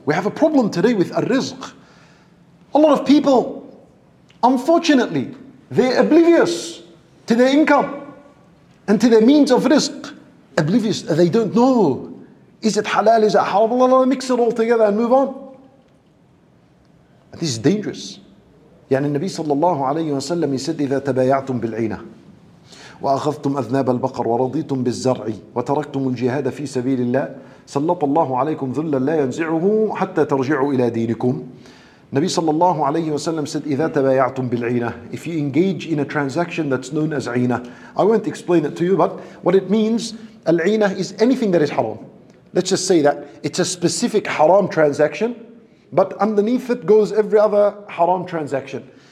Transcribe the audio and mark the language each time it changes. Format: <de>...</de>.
<en>We have a problem today with al-rizq. A lot of people, unfortunately, they're oblivious to their income and to their means of rizq. Oblivious, they don't know. Is it halal, is it haram? Allah, mix it all together and move on. This is dangerous.</en> <ar>يعني النبي صلى الله عليه وسلم</ar> <en>said,</en> <ar>إذا تبايعتم بالعينة وأخذتم أذناب البقر ورضيتم بالزرع وتركتم الجهاد في سبيل الله سلط الله عليكم ذلا لا ينزعه حتى ترجعوا إلى دينكم.</ar> <en>Nabi sallallahu alayhi wa sallam said,</en> <ar>إِذَا تَبَايَعْتُمْ بِالْعِينَةِ.</ar> <en>If you engage in a transaction that's known as عِينَة, I won't explain it to you, but what it means, العِينَة is anything that is haram. Let's just say that it's a specific haram transaction, but underneath it goes every other haram transaction.</en>